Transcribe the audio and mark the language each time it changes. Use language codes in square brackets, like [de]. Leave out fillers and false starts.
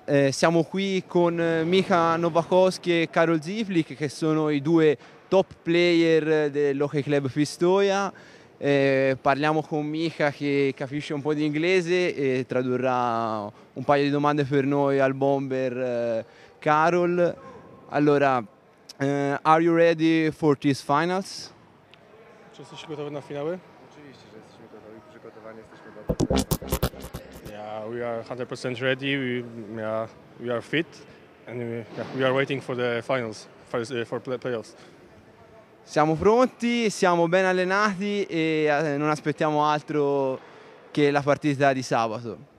[it] Siamo qui con Mika Novakovsky e Karol Ziflik, che sono i due top player dell'Hockey Club Pistoia. Parliamo con Mika, che capisce un po' di inglese e tradurrà un paio di domande per noi al bomber Karol. Allora, [en] are you ready for these finals? [pl] Czy jesteś gotowy na finały? Oczywiście, że jesteśmy gotowi. Przygotowani jesteśmy bardzo. [en] Yeah, we are 100% ready. We are fit, and we are waiting for the finals, for playoffs. [it] Siamo pronti, siamo ben allenati e non aspettiamo altro che la partita di sabato.